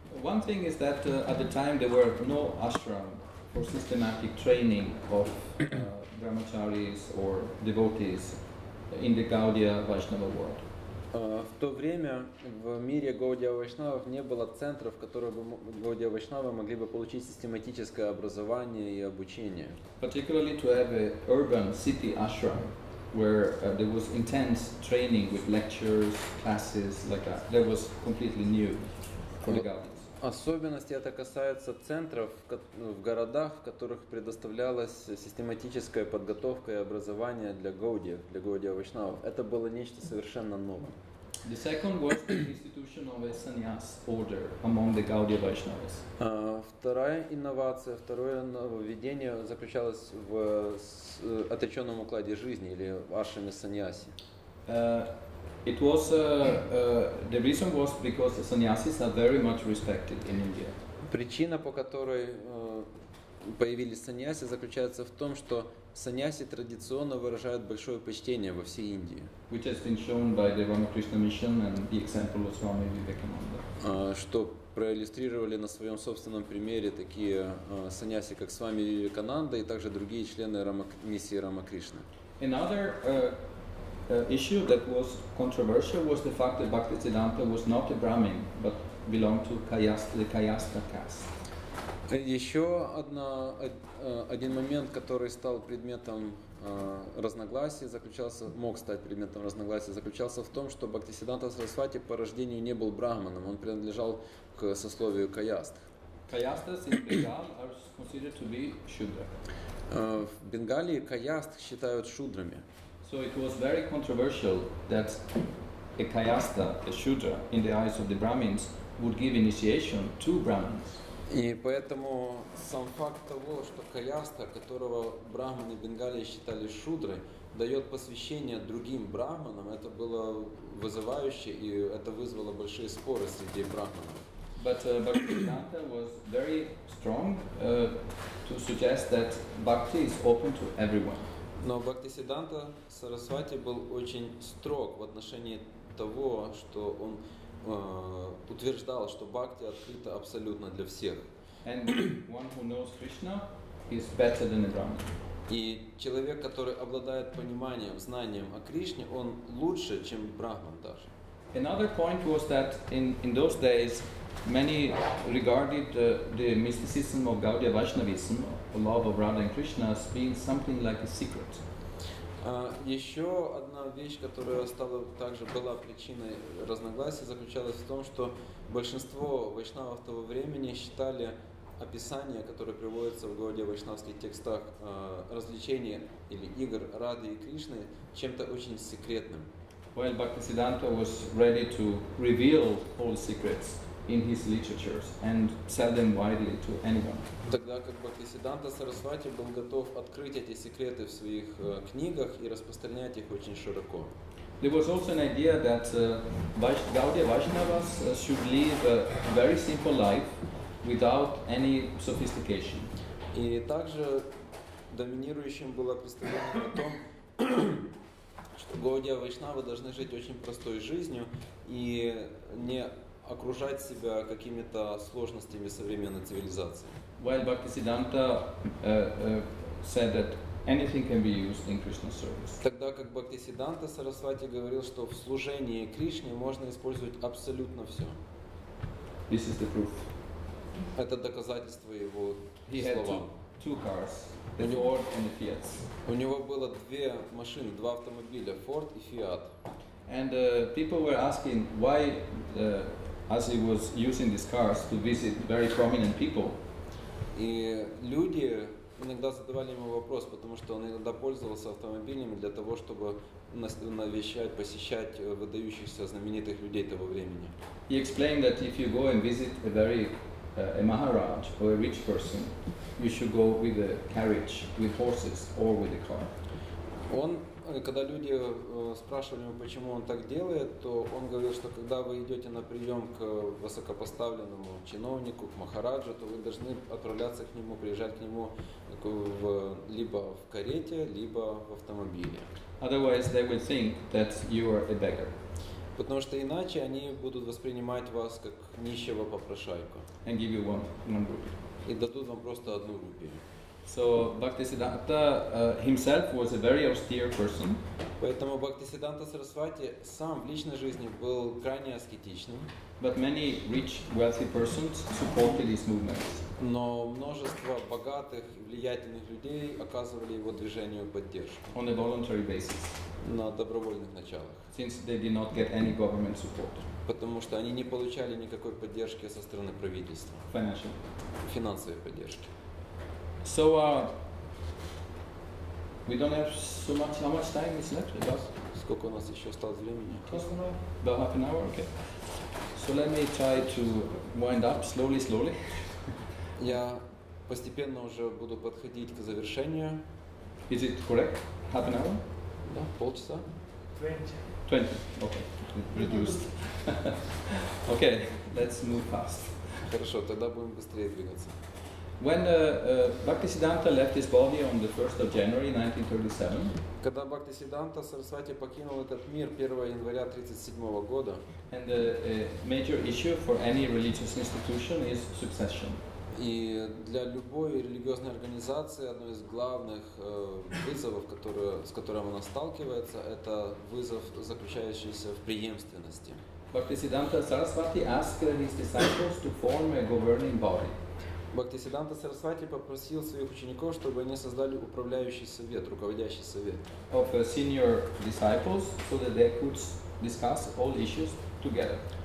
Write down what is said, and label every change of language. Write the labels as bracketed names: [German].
[English] One thing is that at the time there were no ashram for systematic training of brahmacharis or devotees in the Gaudiya Vaishnava world. [Russian] В то время в мире Гаудия Вайшнавов не было центров, в которых бы Гаудия Вайшнавы могли бы получить систематическое образование и обучение. [English] Particularly to have an urban city ashram where there was intense training with lectures, classes like that. That was completely new for the Gaudiya. [Russian] Особенности это касается центров в городах, в которых предоставлялась систематическая подготовка и образование для Гаудия Вайшнавов. Это было нечто совершенно новое. [English] The second was the institution of a sannyas order among the Gaudiya Vaishnavas. [Russian] Вторая инновация, второе нововведение заключалось в отреченном укладе жизни или в ашраме саньяси. [English] It was the reason was because the sannyasis are very much respected in India. [Russian] Причина, по которой появились саньяси, заключается в том, что саньяси традиционно выражают большое почтение во всей Индии. [English] Which has been shown by the Ramakrishna Mission and the example of Swami Vivekananda. [Russian] Что проиллюстрировали на своем собственном примере такие саньяси, как Свами Вивекананда и также другие члены миссии Рамакришны. [English] Another issue that was controversial was the fact that Bhaktisiddhanta was not a Brahmin, but belonged to the Kayastha caste. [Russian] Еще один момент, который стал предметом разногласий, заключался в том, что Бхактисиддханта Сарасвати по рождению не был брахманом, он принадлежал к сословию каяст. [English] Каястас in Bengal are considered to be shudra. [Russian] В Бенгалии каяст считают шудрами. [English] So it was very controversial that a каяста, a shudra, in the eyes of the Brahmins, would give initiation to Brahmins. [Russian] И поэтому сам факт того, что каяста, которого брахманы Бенгалии считали шудрой, дает посвящение другим брахманам, это было вызывающе, и это вызвало большие споры среди брахманов. [English] But Bhaktisiddhanta was very strong to suggest that bhakti is open to everyone. [Russian] Но Бхактисиддханта Сарасвати был очень строг в отношении того, что он утверждал, что бхакти открыта абсолютно для всех. [English] And one who knows Krishna is better than a Brahmin. [Russian] И человек, который обладает пониманием, знанием о Кришне, он лучше, чем брахман даже. [English] Another point was that in those days many regarded the mysticism of Gaudiya Vaishnavism, love of Radha and Krishna, as being something like a secret. [Russian] Еще одна вещь, которая стала также была причиной разногласий, заключалась в том, что большинство вайшнавов того времени считали описание, которое приводится в Гаудия вайшнавских текстах, развлечений или игр Рады и Кришны, чем-то очень секретным. [English] Well, Bhaktisiddhanta was ready to reveal all secrets in his literatures and sell them widely to anyone. [Russian] Тогда как Бхактисиддханта Сарасвати был готов открыть эти секреты в своих книгах и распространять их очень широко. [English] There was also an idea that Gaudiya Vaishnavas should live a very simple life without any sophistication. [Russian] И также доминирующим было представление о том, что Гаудия Вайшнавы должны жить очень простой жизнью и не окружать себя какими-то сложностями современной цивилизации. [English] While Bhaktisiddhanta said that anything can be used in Krishna's service. [Russian] Тогда как Бхактисиддханта Сарасвати говорил, что в служении Кришне можно использовать абсолютно все. [English] This is the proof. [Russian] Это доказательство его словам. [English] Two cars, the Ford and the Fiat. [Russian] У него было две машины, два автомобиля, Ford и Fiat. [English] And people were asking why as he was using these cars to visit very prominent people. [Russian] И люди иногда задавали ему вопрос, потому что он иногда пользовался автомобилями для того, чтобы навещать, посещать выдающихся знаменитых людей того времени. [English] He explained that if you go and visit a very a Maharaj or a rich person, you should go with a carriage, with horses or with a car. [Russian] Он, когда люди спрашивали его, почему он так делает, то он говорил, что когда вы идете на прием к высокопоставленному чиновнику, к Махараджу, то вы должны отправляться к нему, приезжать к нему либо в карете, либо в автомобиле. [English] Otherwise they will think that you are a beggar. [Russian] Потому что иначе они будут воспринимать вас как нищего попрошайку. [English] And give you one rupee. [Russian] И дадут вам просто одну рупию. [English] So Bhaktisiddhanta himself was a very austere person. [Russian] Поэтому Бхактисиддханта Сарасвати сам в личной жизни был крайне аскетичным. [English] But many rich, wealthy persons supported his movements. [Russian] Но множество богатых и влиятельных людей оказывали его движению поддержку. [English] On a voluntary basis. [Russian] На добровольных началах. [English] Since they did not get any government support. [Russian] Потому что они не получали никакой поддержки со стороны правительства. [English] Financial. [Russian] Финансовой поддержки. [English] So we don't have so much. How much time is left? About [Russian] Сколько у нас еще осталось времени? [English] About half an hour, okay. So let me try to wind up slowly, slowly. [Russian] Я постепенно уже буду подходить к завершению. [English] Is it correct? Half an hour? [Russian] Да, полчаса. [English] 20. 20, okay. Reduced. Okay, let's move fast. [Russian] Хорошо, тогда будем быстрее двигаться. [English] When Bhaktisiddhanta left his body on the 1st of January 1937, [Russian] когда Бхактисиддханта Сарасвати покинул этот мир 1 января 37 года, [English] and the major issue for any religious institution is succession. [Russian] И для любой религиозной организации одно из главных вызовов, которые, с которым она сталкивается, это вызов, заключающийся в преемственности. [English] Bhaktisiddhanta Sarasvati asked his disciples to form a governing body. [Russian] Бхактисиддханта Сарасвати попросил своих учеников, чтобы они создали управляющий совет, руководящий совет. [English] Of senior disciples, so that they could discuss all issues together.